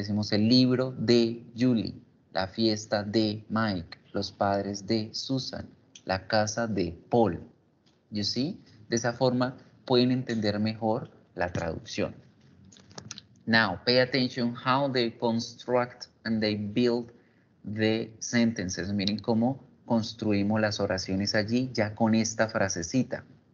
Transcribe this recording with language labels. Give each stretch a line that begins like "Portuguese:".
Spanish: Decimos el libro de Julie, la fiesta de Mike, los padres de Susan, la casa de Paul.
English: You see?
Spanish: De esa forma pueden entender mejor la traducción.
English: Now, pay attention how they construct and they build the sentences.
Spanish: Miren cómo construimos las oraciones allí ya con esta frasecita.